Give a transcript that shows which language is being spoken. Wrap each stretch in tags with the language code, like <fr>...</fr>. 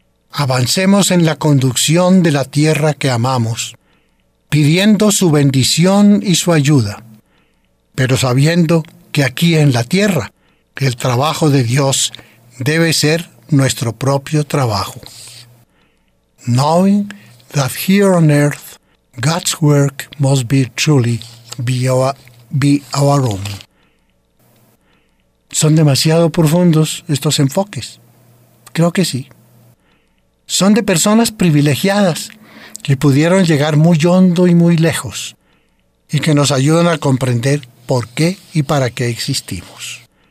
<es>avancemos en la conducción de la tierra que amamos, pidiendo su bendición y su ayuda, pero sabiendo que aquí en la tierra el trabajo de Dios debe ser nuestro propio trabajo.</es> <en>Knowing that here on earth God's work must be truly be our own.</en> <es>¿Son demasiado profundos estos enfoques? Creo que sí. Son de personas privilegiadas que pudieron llegar muy hondo y muy lejos y que nos ayudan a comprender por qué y para qué existimos.</es>